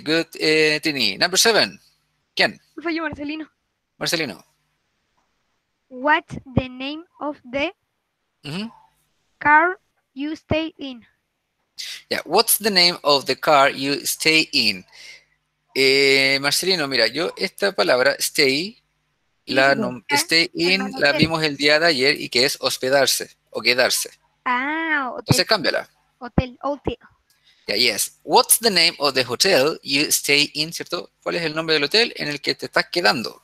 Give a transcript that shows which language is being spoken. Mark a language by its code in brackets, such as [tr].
[en] Good, Tini. Number seven. [es] ¿Quién? Soy yo, Marcelino. Marcelino. [en] What the name of the... Mm-hmm. car you stay in? Yeah, what's the name of the car you stay in? [es] Marcelino, mira, yo esta palabra stay, stay in, la vimos el día de ayer y que es hospedarse o quedarse. Ah, hotel. Entonces cámbiala. [en] Hotel. Yeah, yes. What's the name of the hotel you stay in, [es] cierto? ¿Cuál es el nombre del hotel en el que te estás quedando?